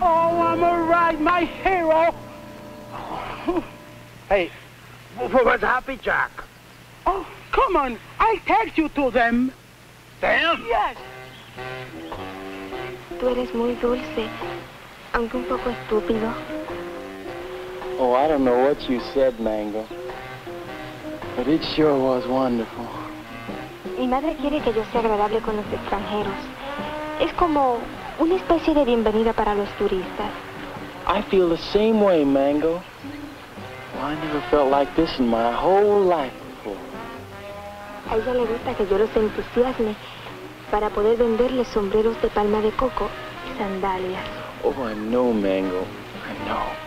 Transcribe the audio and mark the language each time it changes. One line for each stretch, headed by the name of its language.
English: Oh, I'm all right, my hero! Hey, where's Happy Jack? Oh, come on! I take you to them. Them? Yes.
Spanish: Tú eres muy dulce, aunque un poco estúpido.
English: Oh, I don't know what you said, Mango. But it sure was wonderful.
Spanish: Mi madre quiere que yo sea agradable con los extranjeros. Es como una especie de bienvenida para los turistas.
English: I feel the same way, Mango. Well, I never felt like this in my whole life.
Spanish: A ella le gusta que yo los entusiasme para poder venderles sombreros de palma de coco y sandalias.
English: Oh, I know, Mango. I know.